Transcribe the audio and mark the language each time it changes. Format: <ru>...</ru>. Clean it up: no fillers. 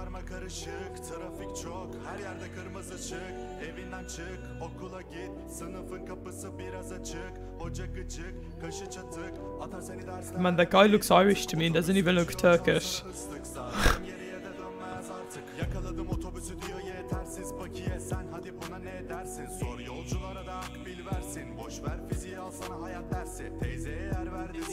<tr>Karışık, trafik çok, her yerde kırmızı ışık. Evinden çık, okula git, sınıfın kapısı biraz açık. Ocak açık, kaşı çatık, atar seni dersler.</tr> <en>Man, that guy looks Irish to me, he doesn't even look Turkish.</en> <tr>Geriye de dönmez artık, yakaladım otobüsü diyor yetersiz bakiye. Sen hadi buna ne dersin, sor yolculara da akbil versin. Boş ver fiziği alsana hayat dersi, teyzeye yer verdi.</tr>